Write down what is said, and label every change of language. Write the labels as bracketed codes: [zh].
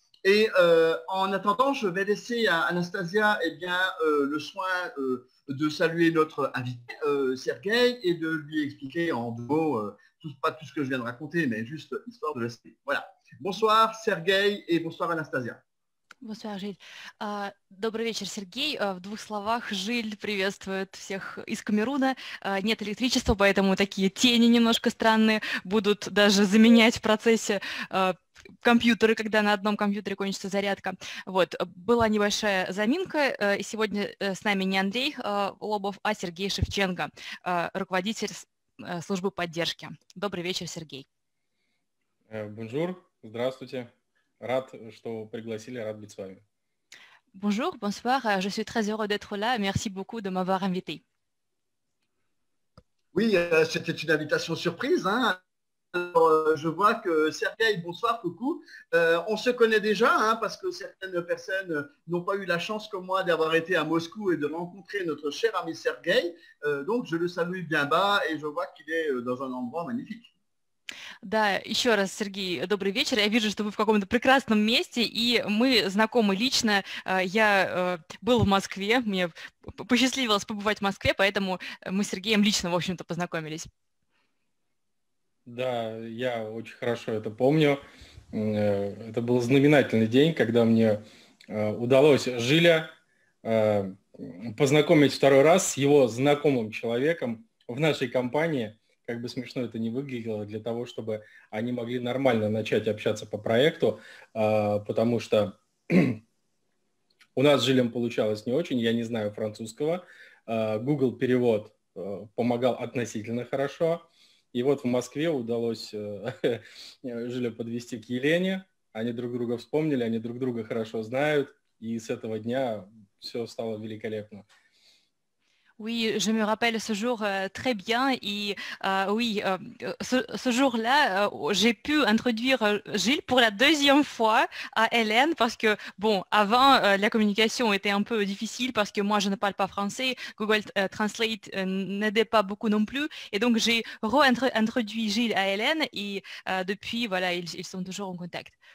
[fr] Et en attendant, je vais laisser à Anastasia eh bien, le soin de saluer notre invité, Sergueï, et de lui expliquer en deux mots, pas tout ce que je viens de raconter, mais juste histoire de l'esprit. Voilà. Bonsoir, Sergueï, et bonsoir, Anastasia. Bonsoir, Gilles. [ru] Добрый вечер, Сергей. В двух словах, Жиль приветствует всех из Камеруна. Нет электричества, поэтому такие тени немножко странные будут даже заменять в процессе компьютеры, когда на одном компьютере кончится зарядка. Вот, была небольшая заминка, и сегодня с нами не Андрей Лобов, а Сергей Шевченко, руководитель службы поддержки. Добрый вечер, Сергей. [fr] Bonjour, [ru] здравствуйте. Рад, что пригласили, рад быть с вами. [fr] Bonjour, bonsoir. Je suis très heureux d'être là. Merci beaucoup de m'avoir invité. Oui, c'était une invitation surprise, hein. Alors, je vois que Sergueï, bonsoir, coucou. On se connaît déjà, hein, parce que certaines personnes n'ont pas eu la chance comme moi d'avoir été à Moscou et de rencontrer notre cher ami Sergueï. Donc je le salue bien bas et je vois qu'il est dans un endroit magnifique. [ru] Да, еще раз, Сергей, добрый вечер. Я вижу, что вы в каком-то прекрасном месте, и мы знакомы лично. Я был в Москве, мне посчастливилось побывать в Москве, поэтому мы с Сергеем лично, в общем-то, познакомились. Да, я очень хорошо это помню. Это был знаменательный день, когда мне удалось Жиля познакомить второй раз с его знакомым человеком в нашей компании. Как бы смешно это ни выглядело, для того, чтобы они могли нормально начать общаться по проекту, потому что у нас с Жилем получалось не очень, я не знаю французского. Google перевод помогал относительно хорошо. И вот в Москве удалось Жиля подвести к Елене. Они друг друга вспомнили, они друг друга хорошо знают. И с этого дня все стало великолепно. [fr] Oui, je me rappelle ce jour très bien et oui, ce jour-là, j'ai pu introduire Gilles pour la deuxième fois à Hélène parce que, bon, avant, la communication était un peu difficile parce que moi, je ne parle pas français, Google Translate n'aidait pas beaucoup non plus et donc j'ai réintroduit Gilles à Hélène et depuis, voilà, ils sont toujours en contact.